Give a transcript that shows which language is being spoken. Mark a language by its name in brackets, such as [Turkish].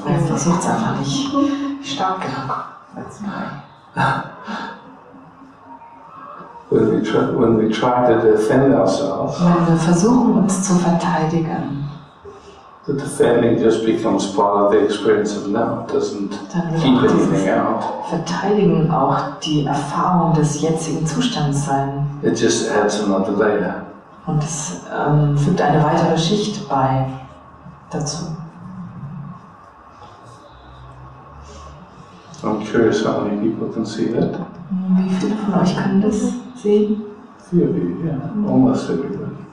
[German] Ich versuch's einfach nicht stark genug. [English] Let's When we try to defend ourselves. [German] Wenn wir versuchen, uns zu verteidigen. [English] The defending just becomes part of the experience of now. It doesn't keep anything out. [German] Verteidigen auch die Erfahrung des jetzigen Zustands sein. [English] It just adds another layer. [German] Und es fügt eine weitere Schicht bei dazu. [English] I'm curious how many people can see that. [German] Wie viele von euch können das sehen? [English] Theory, yeah. Almost everybody.